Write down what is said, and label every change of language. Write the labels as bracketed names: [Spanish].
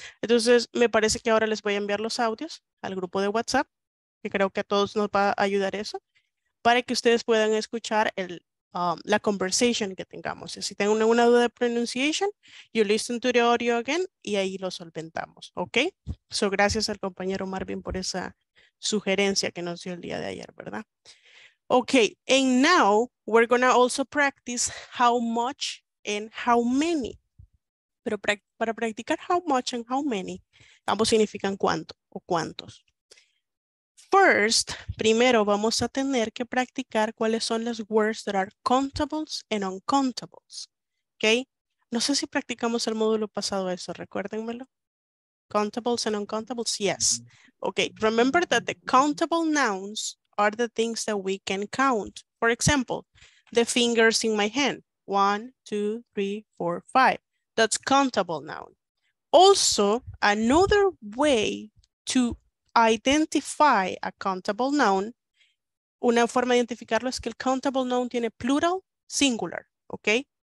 [Spanish] Entonces, me parece que ahora les voy a enviar los audios al grupo de WhatsApp, que creo que a todos nos va a ayudar eso, para que ustedes puedan escuchar la conversation que tengamos. Si tengo una duda de pronunciation, [English] you listen to the audio again, [Spanish] y ahí lo solventamos, ¿ok? So, gracias al compañero Marvin por esa sugerencia que nos dio el día de ayer, ¿verdad? [English] Ok, and now we're gonna also practice how much and how many. [Spanish] Pero para practicar [English] how much and how many, [Spanish] ambos significan cuánto o cuántos. First, primero vamos a tener que practicar cuáles son las [English] words that are countables and uncountables. [Spanish] ¿Ok? No sé si practicamos el módulo pasado eso, recuérdenmelo. [English] Countables and uncountables, yes. Ok, remember that the countable nouns are the things that we can count. For example, the fingers in my hand. 1, 2, 3, 4, 5. That's countable noun. Also, another way to identify a countable noun, [Spanish] una forma de identificarlo es que el countable noun tiene plural, singular, [English] okay?